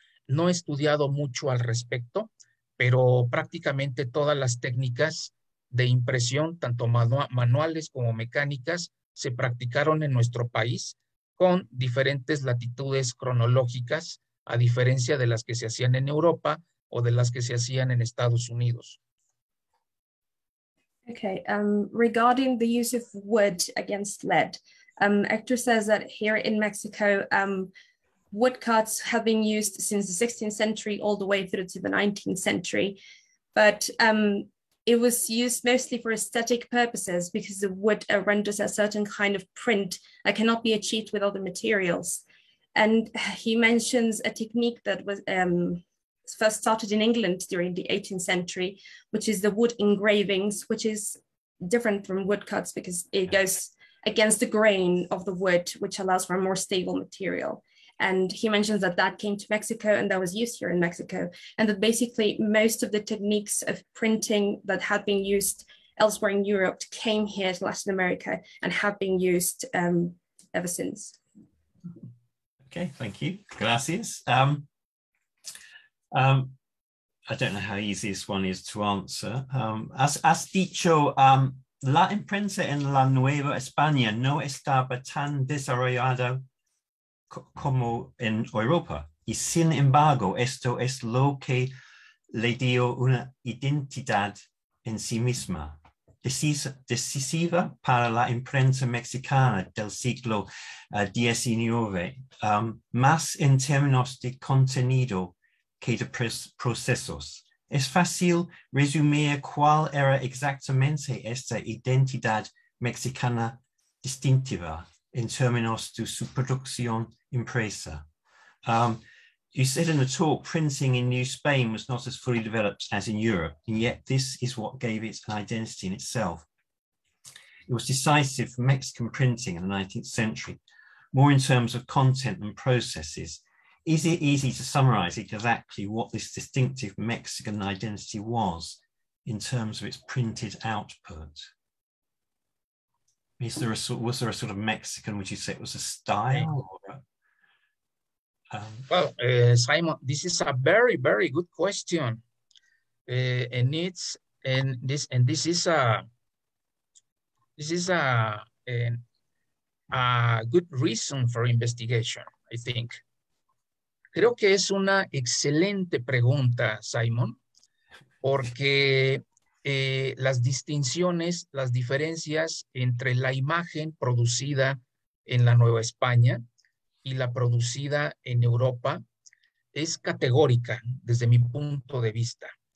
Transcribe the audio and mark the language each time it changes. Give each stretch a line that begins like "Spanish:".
Spanish: No he estudiado mucho al respecto, pero prácticamente todas las técnicas de impresión, tanto manuales como mecánicas, se practicaron en nuestro país con diferentes latitudes cronológicas, a diferencia de las que se hacían en Europa o de las que se hacían en Estados Unidos.
English: Okay, regarding the use of wood against lead, Hector says that here in Mexico, wood cuts have been used since the 16th century all the way through to the 19th century, but it was used mostly for aesthetic purposes because the wood renders a certain kind of print that cannot be achieved with other materials. And he mentions a technique that was first started in England during the 18th century, which is the wood engravings, which is different from woodcuts because it goes against the grain of the wood, which allows for a more stable material. And he mentions that that came to Mexico and that was used here in Mexico. And that basically most of the techniques of printing that had been used elsewhere in Europe came here to Latin America and have been used ever since. Okay, thank you.
Spanish: Gracias.
English: I don't know how easy this one is to answer.
Spanish: As dicho, la imprenta en la Nueva España no estaba tan desarrollada como en Europa. Y sin embargo, esto es lo que le dio una identidad en sí misma. Decisiva para la imprenta mexicana del siglo XIX, más en términos de contenido que de procesos. Es fácil resumir cuál era exactamente esta identidad mexicana distintiva en términos de su producción impresa.
English: You said in the talk, printing in New Spain was not as fully developed as in Europe, and yet this is what gave it an identity in itself. It was decisive for Mexican printing in the 19th century, more in terms of content than processes. Is it easy to summarize exactly what this distinctive Mexican identity was in terms of its printed output? Was there a sort of Mexican, would you say it was a style? Well, Simon, this is a very, very good question, and this is a good reason for investigation, I think.
Spanish: Creo que es una excelente pregunta, Simon, porque las distinciones, las diferencias entre la imagen producida en la Nueva España y la producida en Europa es categórica desde mi punto de vista.